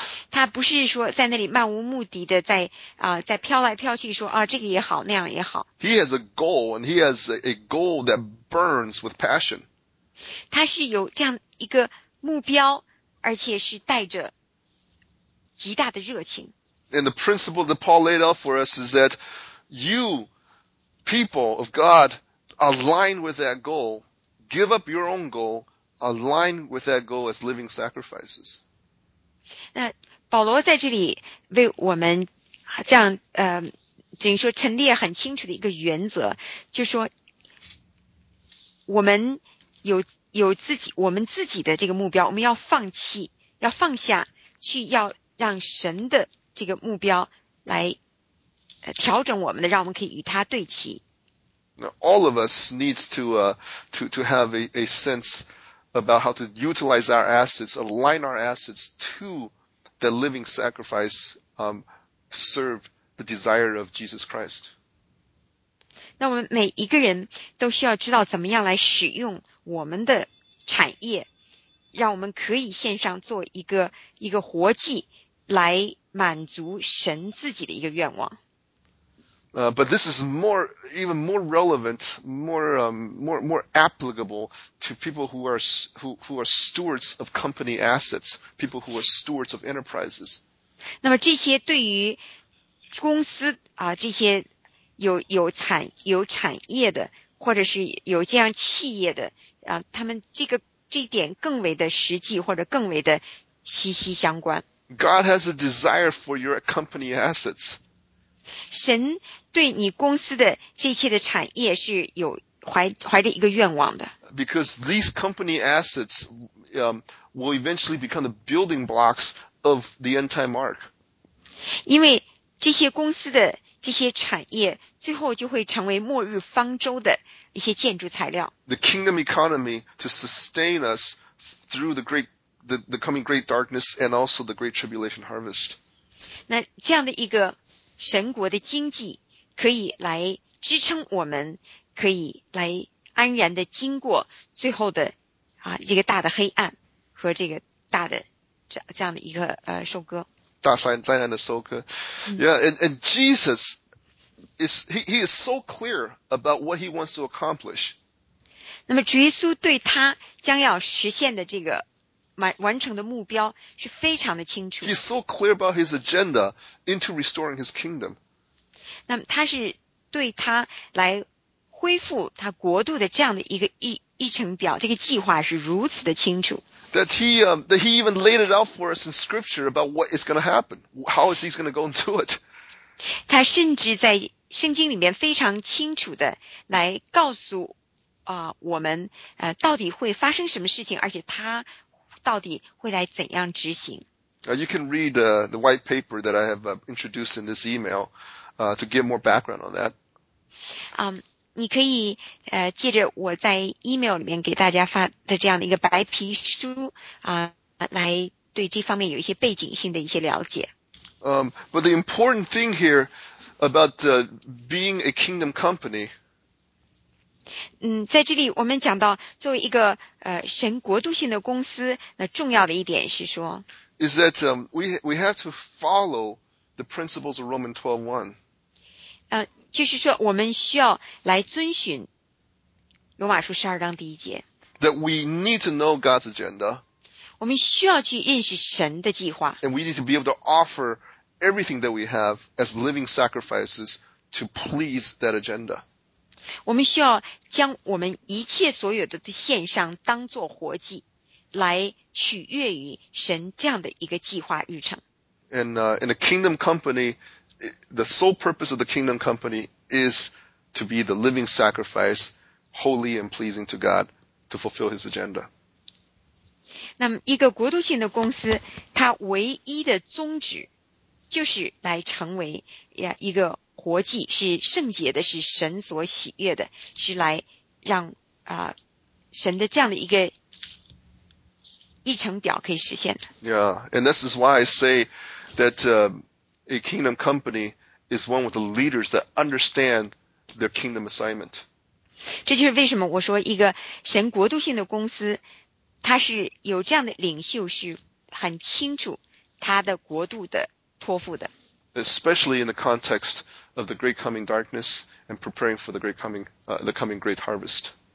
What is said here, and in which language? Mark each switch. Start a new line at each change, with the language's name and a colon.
Chinese: 他不是说在那里漫无目的的在在飘来飘去说啊这个也好那样也好。
English: He has a goal and he has a goal that burns with passion.
Chinese: 他是有这样一个目标而且是带着极大的热情。
English: And the principle that Paul laid out for us is that you, people of God, align with that goal, give up your own goal, align with that goal as living sacrifices.
Chinese: 那保罗在这里为我们这样等于说陈列很清楚的一个原则，就是说我们有自己我们自己的这个目标，我们要放弃，要放下，去要让神的这个目标来调整我们的，让我们可以与他对齐。
English: Now, all of us needs to have a sense about how to utilize our assets, align our assets to the living sacrifice, to serve the desire of Jesus Christ.
Chinese: 那我们每一个人都需要知道怎么样来使用我们的产业，让我们可以献上做一个活祭，来满足神自己的一个愿望。
English: But this is more, even more relevant, more, more applicable to people who are stewards of company assets, people who are stewards of enterprises.
Chinese: 那么这些对于公司啊，这些有产业的，或者是有这样企业的啊，他们这一点更为的实际，或者更为的息息相关。
English: God has a desire for your company assets.
Chinese: 神对你公司的这些的产业是有怀着一个愿望的。
English: Because these company assets, will eventually become the building blocks of the end time mark.
Chinese: 因为这些公司的这些产业最后就会成为末日方舟的一些建筑材料。
English: The kingdom economy to sustain us through the coming great darkness and also the great tribulation harvest.
Chinese: 那这样的一个神国的经济可以来支撑我们，可以来安然的经过最后的啊这个大的黑暗和这个大的这样的一个收割。大灾难的收割。
English: Yeah, and Jesus is so clear about what he wants to accomplish.
Chinese: 那么主耶稣对他将要实现的这个完成的目标是非常的清楚。
English: He's so clear about his agenda into restoring his kingdom.
Chinese: 那么他是对他来恢复他国度的这样的一个议程表，这个计划是如此的清楚。
English: That he even laid it out for us in scripture about what is going to happen, how is he going to go into it.
Chinese: 他甚至在圣经里面非常清楚的来告诉我们到底会发生什么事情，而且他到底会来怎样执行。
English: You can read the white paper that I have introduced in this email to give more background on that.
Chinese: 你可以借着我在 email 里面给大家发的这样的一个白皮书来对这方面有一些背景性的一些了解。
English: But the important thing here about being a kingdom company.
Chinese: 在这里我们讲到作为一个神国度性的公司，那重要的一点是说
English: is that we have to follow the principles of Romans 12:1.
Chinese: 就是说我们需要来遵循罗马书12章第一节。
English: That we need to know God's agenda.
Chinese: 我们需要去认识神的计划。
English: And we need to be able to offer everything that we have as living sacrifices to please that agenda.
Chinese: 我们需要将我们一切所有的献上当作活祭，来取悦于神这样的一个计划日程。
English: And in a kingdom company,The sole purpose of the kingdom company is to be the living sacrifice, holy and pleasing to God, to fulfill His agenda.
Chinese: 那么一个国度性的公司，它唯一的宗旨就是来成为一个活祭，是圣洁的，是神所喜悦的，是来让神的这样的一个议程表可以实现的。
English: Yeah, and this is why I say that, A kingdom company is one with the leaders that understand their kingdom assignment.
Chinese: 这就是为什么我说一个神国度性的公司，它是有这样的领袖，是很清楚他的国度的托付的。
English: Especially in the context of the great coming darkness and preparing for the great coming, the coming great harvest.